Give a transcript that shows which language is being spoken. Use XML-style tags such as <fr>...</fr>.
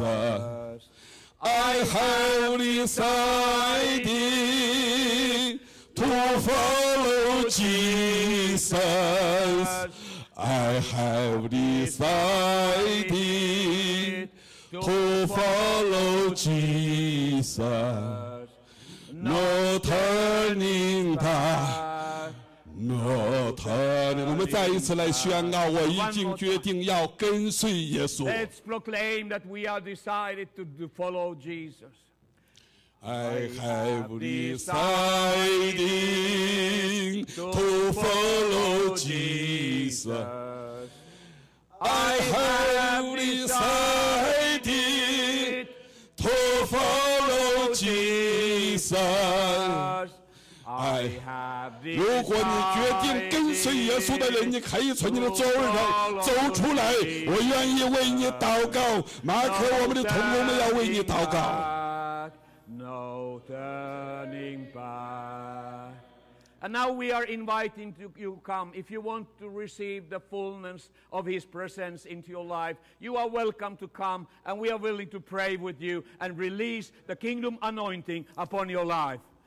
<en>I have decided to follow Jesus. I have decided</en> <zh>在地</zh> <en>To follow Jesus No turning</en> <zh>back No turning 我们再一次来宣告我已经决定要跟随耶稣</zh> <en>Let's proclaim that we are decided to follow Jesus I have decided to follow Jesus. I have decided to follow Jesus. I have decided.</en> <zh>如果你决定跟随耶稣的人，你可以从你的座位上走出来。我愿意为你祷告，马可，我们的同工们要为你祷告。</zh> <en>No turning back. And now we are inviting you to come. If you want to receive the fullness of His presence into your life, you are welcome to come, and we are willing to pray with you and release the kingdom anointing upon your life.</en>